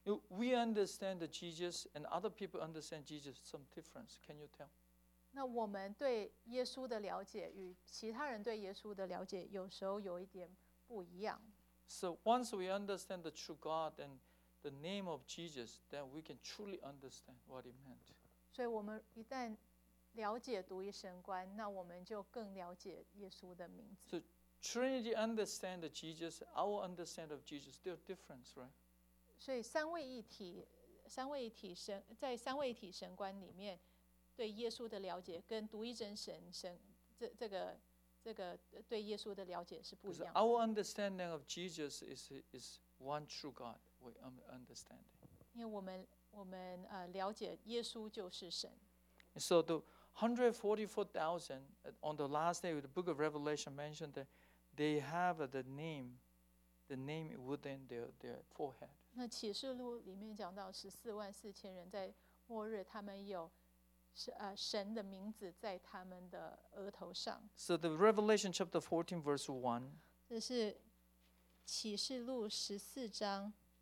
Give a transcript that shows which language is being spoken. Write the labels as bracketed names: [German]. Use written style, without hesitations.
[English] We understand Jesus, and other people understand Jesus some difference. Can you tell? [Chinese] 那我们对耶稣的了解与其他人对耶稣的了解有时候有一点不一样。 [English] So once we understand the true God and the name of Jesus, then we can truly understand what it meant. [Chinese] 所以我们一旦了解独一神观，那我们就更了解耶稣的名字。 [English] So Trinity understand Jesus, our understand of Jesus, there are difference, right? [Chinese] 所以三位一体神，在三位一体神观里面，对耶稣的了解跟独一真神这个对耶稣的了解是不一样的。 [English] Our understanding of Jesus is one true God. We understand. [Chinese] 因为我们了解耶稣就是神。 [English] So the 144,000 on the last day, the Book of Revelation mentioned that they have the name within their forehead. [Chinese] 那启示录里面讲到144,000人在末日，他们有神的名字在他们的额头上。 [English] So the Revelation chapter 14 verse 1. [Chinese] 这是启示录十四章。